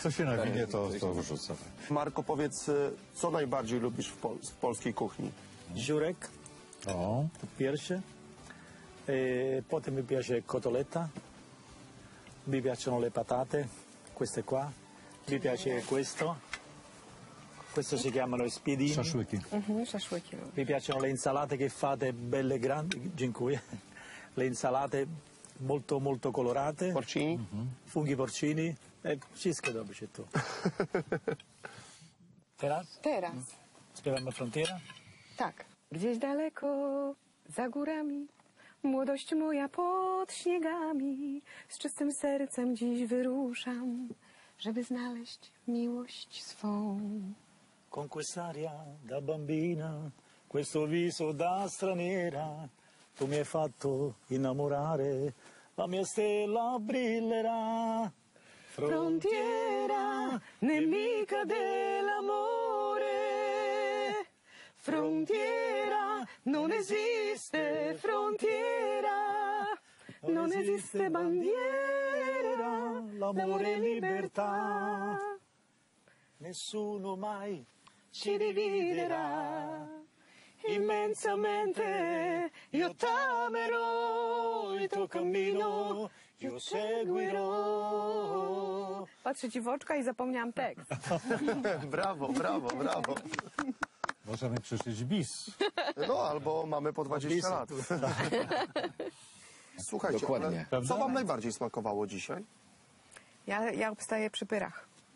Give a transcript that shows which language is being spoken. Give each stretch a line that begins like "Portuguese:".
Polish: Co się nawinie, to wrzuca. Marko, powiedz, co najbardziej lubisz w polskiej kuchni? Dziurek. O. To pierwsze.
Italian: Potem mi piace kotoletta, mi piacciono le patate, queste qua, mi piace questo, questo si chiamano spiedini,
Polish: shashwiki.
Italian: Mi piacciono le insalate che fate belle grandi,
Polish: dziękuję,
Italian: le insalate molto molto colorate, porcini, funghi porcini, e
Polish: wszystko
Italian: dobbe c'è tu.
Polish: Teraz? Teraz. Spieramy frontiera? Tak. Gdzieś daleko, za górami. Młodość moja pod śniegami, z czystym sercem dziś wyruszam, żeby znaleźć miłość swą.
Italian: Con quest'aria da bambina, questo viso da straniera, tu mi hai fatto innamorare, la mia stella brillerà. Frontiera, nemica dell'amore, frontiera, non esiste frontiera, non esiste bandiera, l'amore è libertà, nessuno mai ci dividerà, immensamente io t'amerò, il tuo cammino io seguirò.
Polish: Patrzę ci w oczka i zapomniałam tekst. Brawo, brawo, brawo. Możemy przeszyć bis. No, albo mamy po 20 bis. Lat. Słuchajcie, dokładnie. Co wam najbardziej smakowało dzisiaj? Ja obstaję przy pyrach.